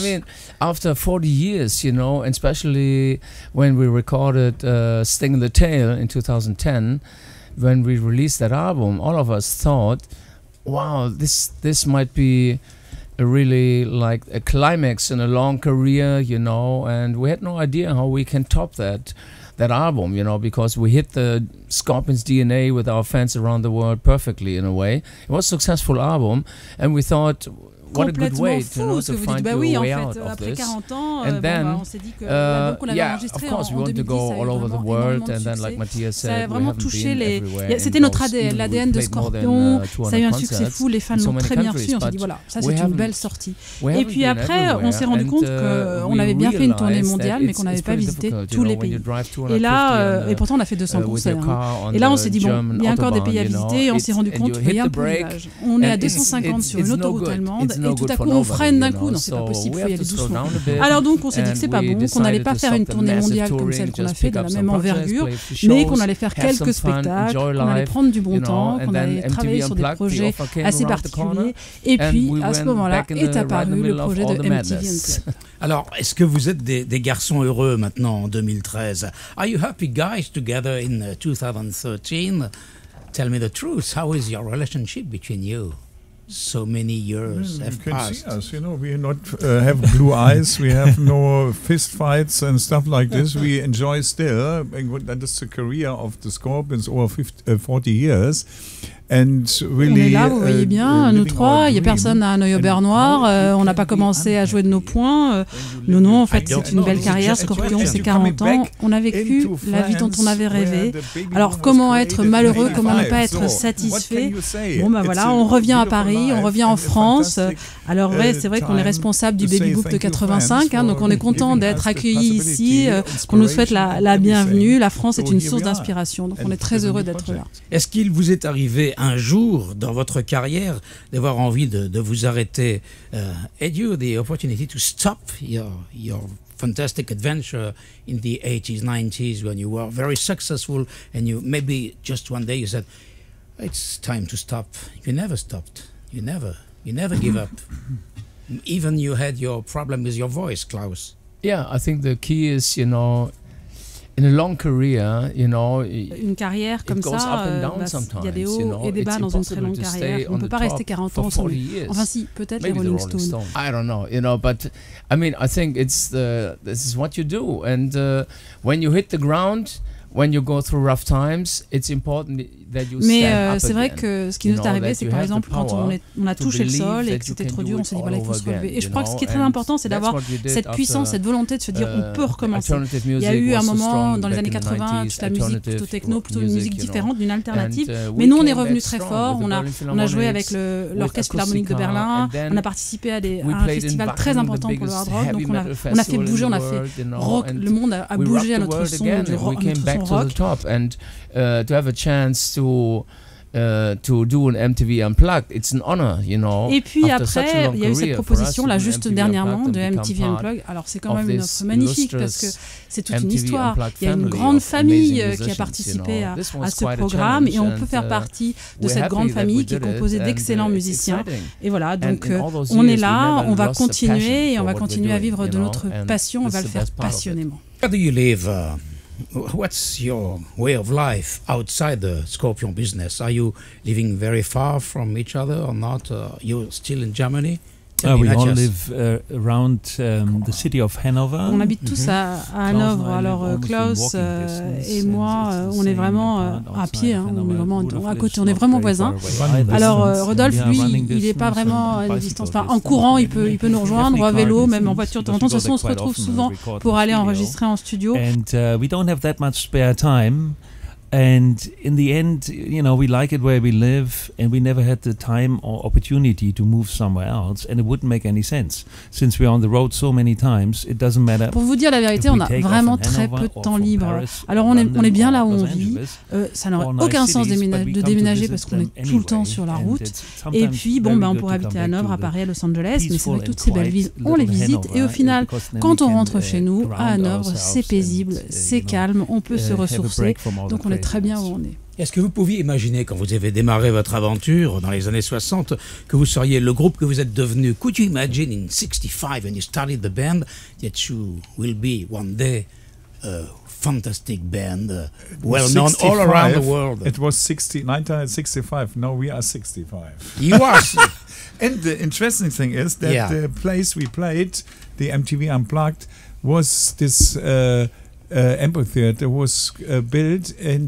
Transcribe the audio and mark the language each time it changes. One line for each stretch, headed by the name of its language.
English: I mean, after 40 years, you know, and especially when we recorded Sting in the Tail in 2010, when we released that album, all of us thought, wow, this might be a really like a climax in a long career, you know, and we had no idea how we can top that album, you know, because we hit the Scorpions DNA with our fans around the world perfectly in a way. It was a successful album and we thought, what a good way to,
French: fou,
English: know, to find
French: dit,
English: your
French: oui,
English: way
French: en fait,
English: out of this. And then, of course, we want to go all over the world. And then, like Mathias said, we haven't been everywhere.
French: C'était notre ADN, l'ADN de Scorpion. Ça a eu un succès fou. Les fans l'ont très bien reçu. On s'est dit, voilà, ça c'est une belle sortie. Et puis après, on s'est rendu compte qu'on avait bien fait une tournée mondiale, mais qu'on n'avait pas visité tous les pays. et là, et pourtant on a fait 200 concerts. Et là, on s'est dit bon, il y a encore des pays à visiter, et on s'est rendu compte qu'il y a un peu. On est à 250 sur une autoroute allemande, et tout à coup, on freine d'un coup. Non, c'est pas possible, il faut y aller doucement. Alors donc, on s'est dit que c'est pas bon, qu'on n'allait pas faire une tournée mondiale comme celle qu'on a fait de la même envergure, mais qu'on allait faire quelques spectacles, qu'on allait prendre du bon temps, qu'on allait travailler sur des projets assez particuliers. Et puis, à ce moment-là, est apparu le projet de MTV. Alors, est-ce que vous êtes des garçons heureux maintenant en 2013?
English: Are you happy guys together in 2013? Tell me the truth. How is your relationship between you? So many years have passed. You can see us. You know, we not have blue eyes. We have no fist fights and stuff like this. We enjoy still. That is the career of the Scorpions over 40 years. And really,
French: on est là, vous voyez bien, nous trois, il n'y a personne à Neuilly au Bernois, on n'a pas commencé à jouer de nos poings. Non, non, en fait, c'est une belle carrière, Scorpion, c'est 40 ans. On a vécu la vie dont on avait rêvé. Alors, comment être malheureux, comment ne pas être satisfait? Bon, ben voilà, on revient à Paris, on revient en France. Alors, ouais, c'est vrai qu'on est responsable du Baby Boop de 85, hein, donc on est content d'être accueillis ici, qu'on nous souhaite la bienvenue. La France est une source d'inspiration, donc on est très heureux d'être là. Est-ce qu'il vous est arrivé un jour dans votre carrière d'avoir envie de vous arrêter?
English: Had you the opportunity to stop your fantastic adventure in the 80s, 90s when you were very successful and you maybe just one day you said it's time to stop? You never stopped, you never give up. Even you had your problem with your voice, Klaus. Yeah, I think the key is, you know, in a long career, you know,
French: une carrière comme ça, il y a des hauts et des bas dans une très longue carrière. On ne peut pas rester 40 ans sur lui. Enfin, si, peut-être
English: maybe
French: les Rolling Stones. Stone.
English: I don't know, you know, but I mean, I think it's this is what you do. And when you hit the ground, when you go through rough times, it's important that you
French: mais
English: stand up
French: c'est vrai
English: again.
French: Que ce qui nous est arrivé, c'est par exemple quand on a touché le sol et que c'était trop dur, on s'est dit voilà, il faut se relever. Et je crois que ce qui est très important, c'est d'avoir cette puissance, cette volonté de se dire on peut recommencer. Il y a eu un moment dans les années 80, toute la musique plutôt techno, plutôt une musique différente, d'une alternative. Mais nous, on est revenus très fort. On a joué avec l'Orchestre Philharmonique de Berlin. On a participé à un festival très important pour le hard rock. Donc on a fait bouger, on a fait rock. Le monde a bougé à notre son, du rock, notre son.
English: To the top and to have a chance to do an MTV Unplugged, it's an honor, you know.
French: Et puis après, il y a eu cette proposition là juste dernièrement de MTV Unplugged. Alors c'est quand même une offre magnifique parce que c'est toute une histoire. Il y a une grande famille qui a participé à ce programme et on peut faire partie de cette grande famille qui est composée d'excellents musiciens. Et voilà, donc on est là, on va continuer et on va continuer à vivre de notre passion, on va le faire passionnément.
English: Where do you live? What's your way of life outside the Scorpion business? Are you living very far from each other or not? You're still in Germany? We all live around the city of Hanover.
French: On habite tous à Hanover. Alors Klaus et moi, on est vraiment à pied. On est vraiment à côté. On est vraiment voisins. Alors Rodolphe, lui, il n'est pas vraiment à une distance. Enfin, en courant, il peut nous rejoindre, ou à vélo, même en voiture. De toute façon, on se retrouve souvent pour aller enregistrer en studio.
English: And we don't have that much spare time. And in the end, you know, we like it where we live and we never had the time or opportunity to move somewhere else and it wouldn't make any sense. Since we're on the road so many times, it doesn't matter.
French: Pour vous dire la vérité, on a vraiment très peu de temps libre. Alors on est bien là où on vit. Ça n'aurait aucun sens de déménager parce qu'on est tout le temps sur la route. Et puis, bon, on pourrait habiter à Hanovre, à Paris, à Los Angeles, mais c'est vrai que toutes ces belles villes, on les visite. Et au final, quand on rentre chez nous, à Hanovre, c'est paisible, c'est calme, on peut se ressourcer. Donc on est très bien où on est. Est-ce que vous pouviez imaginer, quand vous avez démarré votre aventure dans les années 60, que vous seriez le groupe que vous êtes devenu?
English: Could you imagine in 65 when you started the band that you will be one day a fantastic band, well known all around the world? It was 1965. Now we are 65. You are. And the interesting thing is that the place we played, the MTV Unplugged, was this amphitheater was built in